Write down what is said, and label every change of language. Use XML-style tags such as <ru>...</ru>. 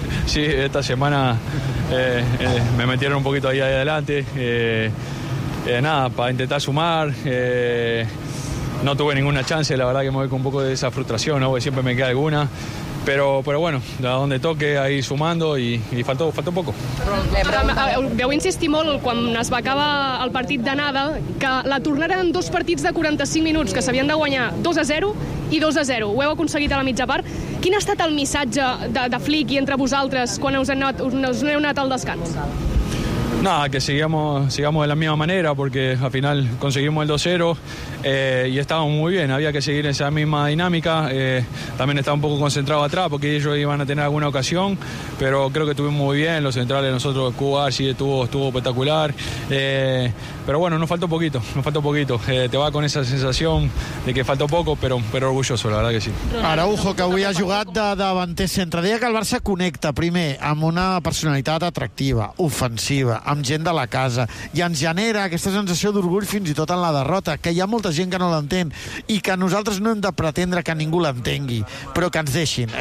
<es>Sí, esta semana me metieron un poquito ahí adelante, nada, para intentar sumar, no tuve ninguna chance, la verdad que me voy con un poco de esa frustración, ¿no? Porque siempre me queda alguna, pero bueno, de donde toque, ahí sumando y faltó un poco.</es> <ca>Veu insistir molt quan es va acabar el partit d'anada, que la tornada en dos partits de 45 minuts, que s'havien de guanyar 2-0 i 2-0. Ho heu aconseguit a la mitja part. Quin ha estat el missatge de Flick i entre vosaltres quan us heu anat al descans?</ca> <es>Nada, que sigamos de la misma manera, porque al final conseguimos el 2-0 y estábamos muy bien. Había que seguir en esa misma dinámica. También estaba un poco concentrado atrás porque ellos iban a tener alguna ocasión, pero creo que estuvimos muy bien. Los centrales, nosotros, Cuba, sí, estuvo espectacular. Pero bueno, nos faltó poquito. Te va con esa sensación de que faltó poco, pero orgulloso, la verdad que sí.</es> <ca>Araujo, que avui ha jugat de davanter centre. Deia que el Barça connecta, primer, amb una personalitat atractiva, ofensiva, amb gent de la casa, i ens genera aquesta sensació d'orgull fins i tot en la derrota, que hi ha molta gent que no l'entén i que nosaltres no hem de pretendre que ningú l'entengui, però que ens deixin.</ca>